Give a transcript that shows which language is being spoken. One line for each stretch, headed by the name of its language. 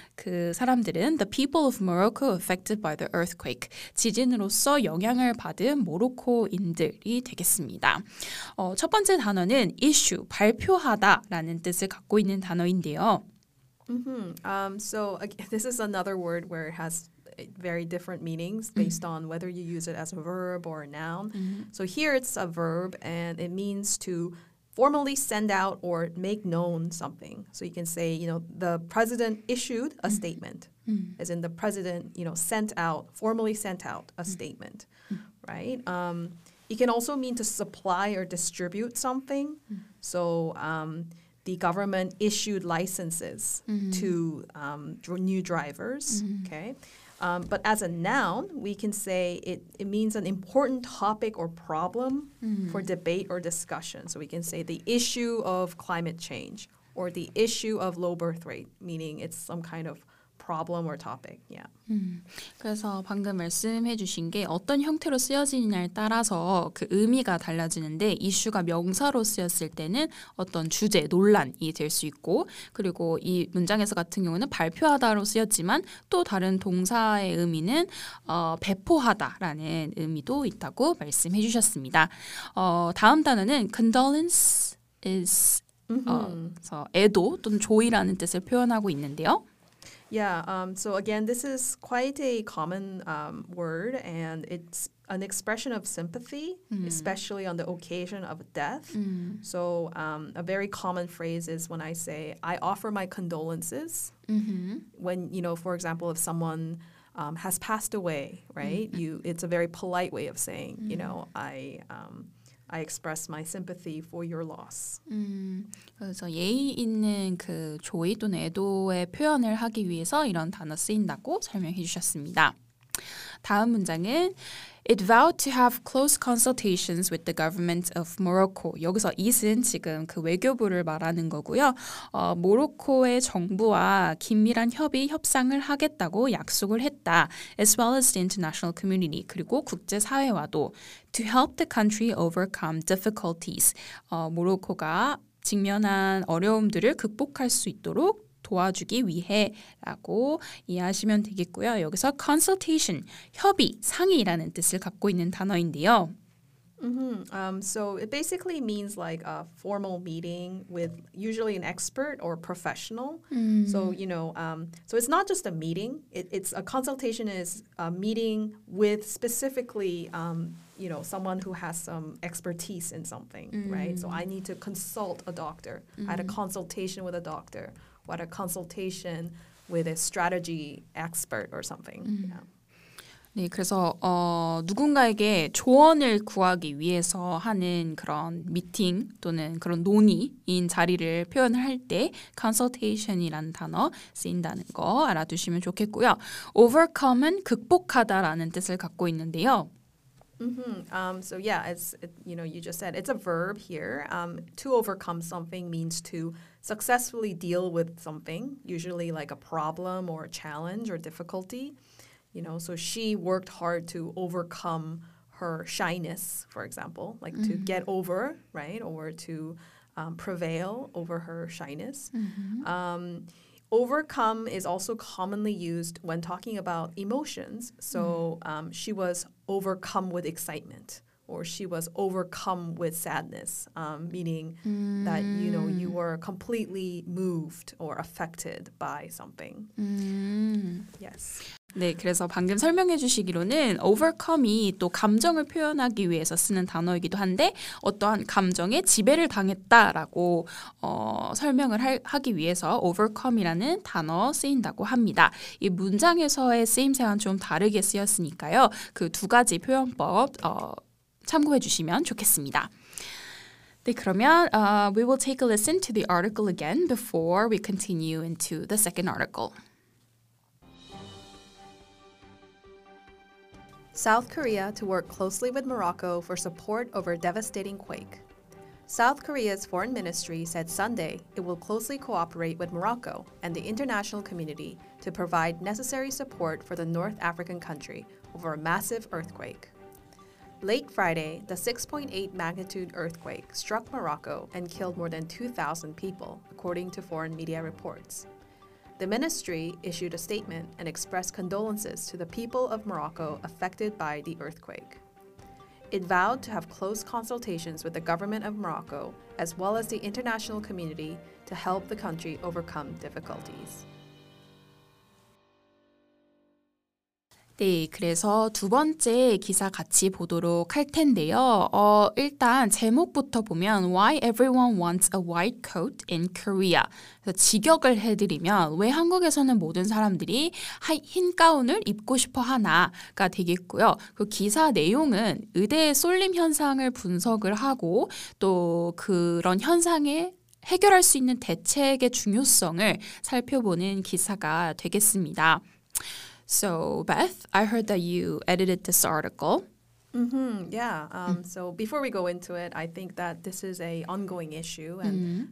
Korean: 그 사람들은
English: the people of Morocco affected by the earthquake.
Korean: 지진으로서 영향을 받은 모로코인들이 되겠습니다. 첫 번째 단어는 issue, 발표하다 라는 뜻을 갖고 있는 단어인데요. Mm-hmm.
English: This is another word where it has very different meanings based mm-hmm. on whether you use it as a verb or a noun. Mm-hmm. So here it's a verb and it means to formally send out or make known something. So you can say, you know, the president issued a mm-hmm. statement, mm-hmm. as in the president, you know, formally sent out a mm-hmm. statement, mm-hmm. right? It can also mean to supply or distribute something. Mm-hmm. So the government issued licenses mm-hmm. to new drivers, mm-hmm. okay? But as a noun, we can say it means an important topic or problem mm-hmm. for debate or discussion. So we can say the issue of climate change or the issue of low birth rate, meaning it's some kind of problem or topic, yeah.
Korean: 그래서 방금 말씀해 주신 게 어떤 형태로 쓰여지느냐에 따라서 그 의미가 달라지는데 이슈가 명사로 쓰였을 때는 어떤 주제, 논란이 될 수 있고 그리고 이 문장에서 같은 경우는 발표하다로 쓰였지만 또 다른 동사의 의미는 배포하다라는 의미도 있다고 말씀해 주셨습니다. 다음 단어는 condolence is mm-hmm. 애도 또는 조의라는 뜻을 표현하고 있는데요.
English: Yeah, so again, this is quite a common word, and it's an expression of sympathy, mm. especially on the occasion of death. Mm. So a very common phrase is when I say, I offer my condolences. Mm-hmm. When, you know, for example, if someone has passed away, right? Mm. It's a very polite way of saying, mm. you know, I express my sympathy for your loss.
Korean: 그래서 예의 있는 그 조의 또는 애도의 표현을 하기 위해서 이런 단어 쓰인다고 설명해 주셨습니다. 다음 문장은
English: It vowed to have close consultations with the government of Morocco.
Korean: 여기서 is은 지금 그 외교부를 말하는 거고요. 모로코의 정부와 긴밀한 협의, 협상을 하겠다고 약속을 했다.
English: As well as the international community,
Korean: 그리고 국제사회와도.
English: To help the country overcome difficulties.
Korean: 모로코가 직면한 어려움들을 극복할 수 있도록 도와주기 위해라고 이해하시면 되겠고요. 여기서 consultation, 협의, 상의라는 뜻을 갖고 있는 단어인데요.
English: Mm-hmm. So it basically means like a formal meeting with usually an expert or professional. Mm-hmm. So, you know, so it's not just a meeting. It's a consultation is a meeting with specifically, you know, someone who has some expertise in something, mm-hmm. right? So I need to consult a doctor. Mm-hmm. I had a consultation with a doctor. What a consultation with a strategy expert or something. Mm-hmm. Yeah.
Korean: 네, 그래서 누군가에게 조언을 구하기 위해서 하는 그런 미팅 또는 그런 논의인 자리를 표현을 할 때 consultation이라는 단어 쓰인다는 거 알아두시면 좋겠고요. Overcome은 극복하다라는 뜻을 갖고 있는데요. Mm-hmm.
English: So yeah, you know, you just said it's a verb here. To overcome something means to successfully deal with something, usually like a problem or a challenge or difficulty. You know, so she worked hard to overcome her shyness, for example, like mm-hmm. to get over, right, or to prevail over her shyness. Mm-hmm. Overcome is also commonly used when talking about emotions. So mm-hmm. She was overcome with excitement or she was overcome with sadness, meaning mm-hmm. that, you know, you were completely moved or affected by something. Mm-hmm. Yes.
Korean: 네, 그래서 방금 설명해 주시기로는 overcome이 또 감정을 표현하기 위해서 쓰는 단어이기도 한데 어떠한 감정에 지배를 당했다라고 설명을 하기 위해서 overcome이라는 단어 쓰인다고 합니다. 이 문장에서의 쓰임새와는 좀 다르게 쓰였으니까요. 그 두 가지 표현법 참고해 주시면 좋겠습니다. 네, 그러면
English: we will take a listen to the article again before we continue into the second article. South Korea to work closely with Morocco for support over devastating quake. South Korea's foreign ministry said Sunday it will closely cooperate with Morocco and the international community to provide necessary support for the North African country over a massive earthquake. Late Friday, the 6.8 magnitude earthquake struck Morocco and killed more than 2,000 people, according to foreign media reports. The ministry issued a statement and expressed condolences to the people of Morocco affected by the earthquake. It vowed to have close consultations with the government of Morocco as well as the international community to help the country overcome difficulties.
Korean: 네, 그래서 두 번째 기사 같이 보도록 할 텐데요. 일단 제목부터 보면
English: Why everyone wants a white coat in Korea?
Korean: 그래서 직역을 해드리면 왜 한국에서는 모든 사람들이 흰 가운을 입고 싶어 하나가 되겠고요. 그 기사 내용은 의대의 쏠림 현상을 분석을 하고 또 그런 현상에 해결할 수 있는 대책의 중요성을 살펴보는 기사가 되겠습니다.
English: So, Beth, I heard that you edited this article. Mm-hmm, yeah. So, before we go into it, I think that this is an ongoing issue. And mm-hmm.